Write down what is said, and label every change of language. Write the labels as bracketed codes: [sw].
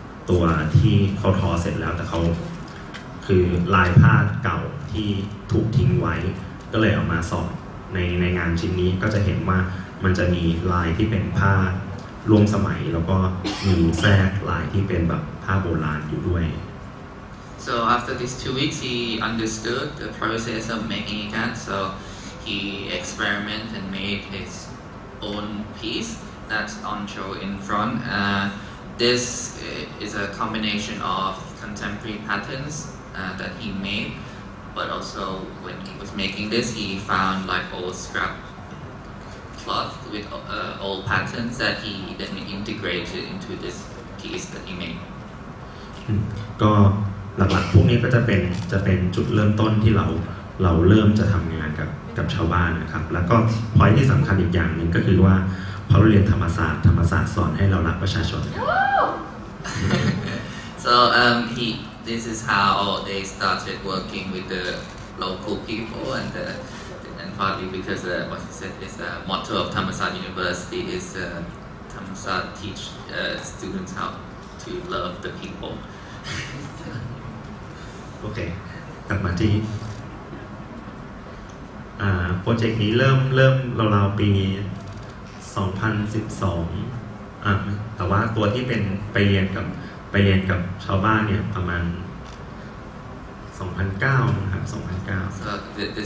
[th] ตัวที่เขาทอเสร็จแล้วแต่เขาคือลายผ้าเก่าที่ถูกทิ้งไว้ก็เลยเอามาสอบในงานชิ้นนี้ก็จะเห็นว่ามันจะมีลายที่เป็นผ้าร่วมสมัยแล้วก็มีแทรกลายที่เป็นแบบผ้าโบราณอยู่ด้วย [en] So after these 2 weeks he understood the process of making again so he experiment and made his own piece that's on show in front this is a combination of contemporary patterns that he made but also when he was making this he found like old scrapcloth with old patterns that he then integrated into this piece that he made. [th] ก็หลักๆพวกนี้ก็จะเป็นจุดเริ่มต้นที่เราเริ่มจะทำงานกับชาวบ้านนะครับแล้วก็พอยที่สำคัญอีกอย่างนึงก็คือว่าเพราะเรียนธรรมศาสตร์สอนให้เรารักประชาชน [en] So this is how they started working with the local people and partly because what he said is the motto of Thammasat University is Thammasat teach students how to love the people. [th] Okay, กลับมาที่โปรเจกต์นี้เริ่มราวๆปี2012แต่ว่าตัวที่เป็นไปเรียนกับชาวบ้านเนี่ยประมาณ2009.